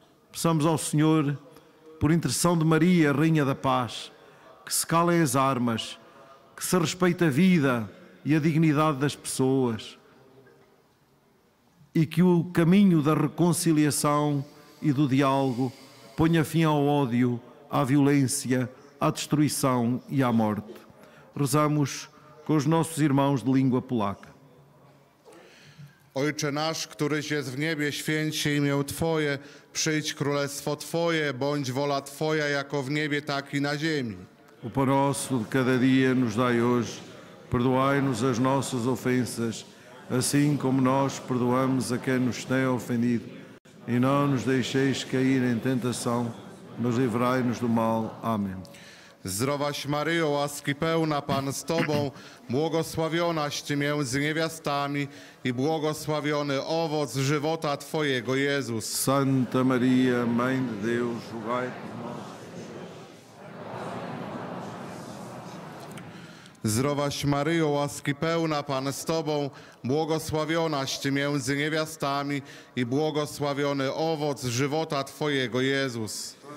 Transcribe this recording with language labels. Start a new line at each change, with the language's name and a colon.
Portuguese: Peçamos ao Senhor, por intercessão de Maria, Rainha da Paz, que se calem as armas, que se respeite a vida e a dignidade das pessoas e que o caminho da reconciliação e do diálogo ponha fim ao ódio, à violência, à destruição e à morte. Rezamos com os nossos irmãos de língua polaca.
Polish: Ojcze nasz, któryś jest w niebie, święć się imię Twoje, przyjdź królestwo Twoje, bądź wola Twoja jako w niebie, tak i na ziemi.
Portuguese: O pão nosso de cada dia nos dai hoje, perdoai-nos as nossas ofensas, assim como nós perdoamos a quem nos tem ofendido. E não nos deixeis cair em tentação, mas livrai-nos do mal. Amém.
Polish: Zdrowaś Maryjo, łaski pełna, Pan z Tobą, błogosławionaś Ty między niewiastami i błogosławiony owoc żywota Twojego, Jezus.
Portuguese: Santa Maria, Mãe de Deus, rogai por nós.
Polish: Zdrowaś Maryjo, łaski pełna, Pan z Tobą, błogosławionaś Ty między niewiastami i błogosławiony owoc żywota Twojego, Jezus.